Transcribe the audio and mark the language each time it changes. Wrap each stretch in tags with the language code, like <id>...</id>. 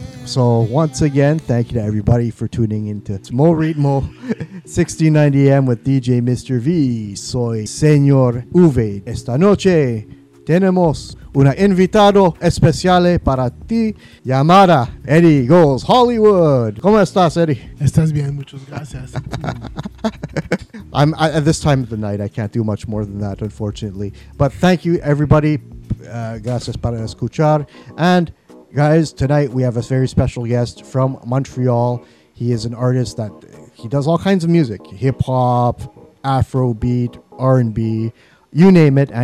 <en>So once again, thank you to everybody for tuning in to More Ritmo 1690 AM with DJ Mr.</en> <es>V. Soy Señor V. Esta noche tenemos una invitado especial para ti llamada Eddie Goes Hollywood. ¿Cómo estás, Eddie? Estás bien, muchas gracias.</es> <en>I'm at this time of the night, I can't do much more than that, unfortunately. But thank you, everybody.</en> <es>Gracias para escuchar.</es> <en>And guys, tonight we have a very special guest from Montreal. He is an artist that he does all kinds of music, hip-hop, Afrobeat, R&B, you name it.</en>